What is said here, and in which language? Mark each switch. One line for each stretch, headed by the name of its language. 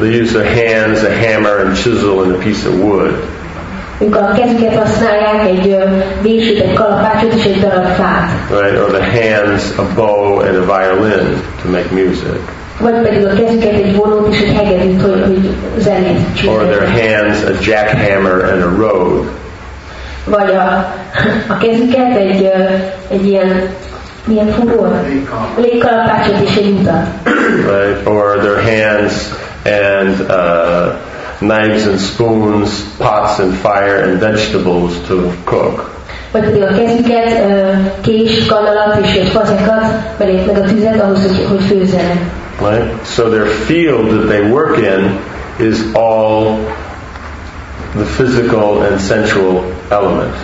English: They use their hands, a hammer and chisel and a piece of wood.
Hungarian: Ők a kezüket használják, egy vésőt, egy kalapácsot és egy darab fát.
English: Right. Or the hands, a bow and a violin to make music.
Hungarian: Vagy pedig a kezüket, egy vonót és egy hegedűt, hogy zenét csinálják.
English: Or their hands, a jackhammer and a rogue.
Hungarian: Vagy a kezüket egy ilyen milyen fogor? Légkalapácsot és egy utat.
English: Right. Or their hands and knives and spoons, pots and fire and vegetables to cook.
Hungarian: Vagy a kezüket, kés, kanalat és fazekat, meg a tüzet ahhoz, hogy főzzenek.
English: Right? So their field that they work in is all the physical and sensual element.